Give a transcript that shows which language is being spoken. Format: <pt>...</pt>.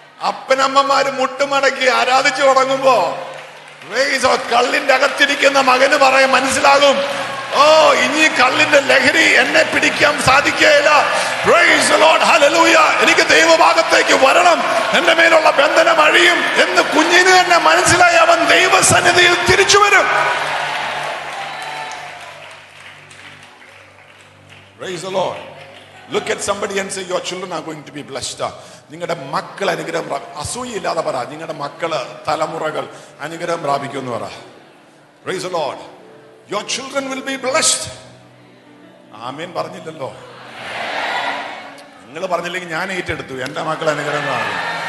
<ml>അപ്പനമ്മമാര് മുട്ടുമടക്കി ആരാധിച്ചു തുടങ്ങുമ്പോ കള്ളിന്റെ അകത്തിരിക്കുന്ന മകന് പറയാൻ മനസ്സിലാകും, ഓ ഇനി കള്ളിന്റെ ലഹരി എന്നെ പിടിക്കാൻ സാധിക്കുകയില്ല, എനിക്ക് ദൈവഭാഗത്തേക്ക് വരണം, എന്റെ മേലുള്ള ബന്ധനം അഴിയും എന്ന് കുഞ്ഞിന് തന്നെ മനസ്സിലായി അവൻ ദൈവസന്നിധിയിൽ തിരിച്ചു വരും.</ml> <en>Praise the Lord. Look at somebody and say, your children are going to be blessed.</en> <ml>നിങ്ങളുടെ മക്കൾ അനുഗ്രഹം പ്രാപിക്കും. അസൂയയില്ലാതെ പറ, നിങ്ങളുടെ മക്കള് തലമുറകൾ അനുഗ്രഹം പ്രാപിക്കും.</ml> <en>Praise the Lord. Your children will be blessed. Amen</en> <ml>പറഞ്ഞില്ലല്ലോ. നിങ്ങൾ പറഞ്ഞില്ലെങ്കിൽ ഞാൻ ഏറ്റെടുത്തു, എന്റെ മക്കൾ അനുഗ്രഹം പ്രാപിക്കും.</ml>